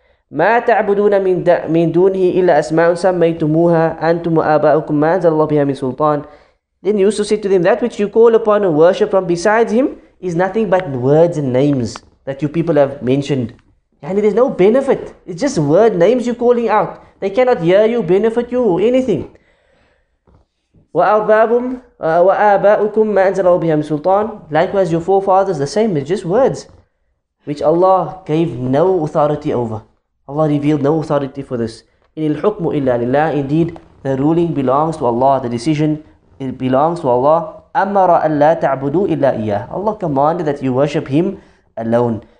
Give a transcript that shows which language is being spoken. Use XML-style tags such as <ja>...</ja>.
<ar>ما تعبدون من دونه إلا أسماء سميتموها أنتم وآباؤكم ما أنزل الله بها من سلطان.</ar> <en>Then Yusuf said to them, that which you call upon and worship from besides him is nothing but words and names that you people have mentioned. يعني there's no benefit. It's just word names you're calling out. They cannot hear you, benefit you, or anything.</en> <ar>وآباؤكم ما أنزل الله بها من سلطان.</ar> <en>Likewise, your forefathers, the same. It's just words which Allah gave no authority over. Allah revealed no authority for this.</en> <ar>In al-hukmu illa lillah,</ar> <en>indeed, the ruling belongs to Allah, the decision, it belongs to Allah.</en> <ar>Amara alla ta'budu illa iyyah.</ar> <en>Allah commanded that you worship Him alone.</en>